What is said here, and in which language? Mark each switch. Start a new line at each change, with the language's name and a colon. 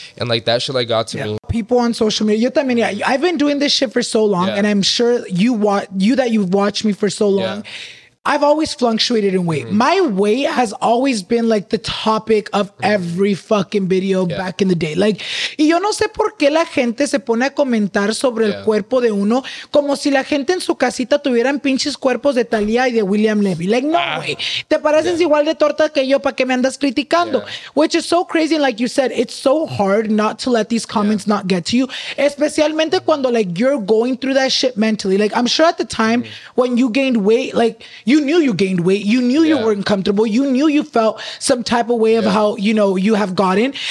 English: And, like, that shit, like, got to me. People on social media, you también, yeah, I've been doing this shit for so long, and I'm sure you've watched me for so long. Yeah. I've always fluctuated in weight. Mm-hmm. My weight has always been like the topic of every fucking video back in the day.
Spanish: Like, y yo no sé por qué la gente se pone a comentar sobre el cuerpo de uno como si la gente en su casita tuvieran pinches cuerpos de Thalía y de William Levy. Like, no, güey. Te pareces igual de torta que yo, ¿para qué me andas criticando?
English: Yeah. Which is so crazy. And like you said, it's so hard not to let these comments not get to you.
Spanish: Especialmente cuando,
English: like, you're going through that shit mentally. Like, I'm sure at the time when you gained weight, like... You knew you gained weight. You knew you weren't comfortable. You knew you felt some type of way of how, you know, you have gotten.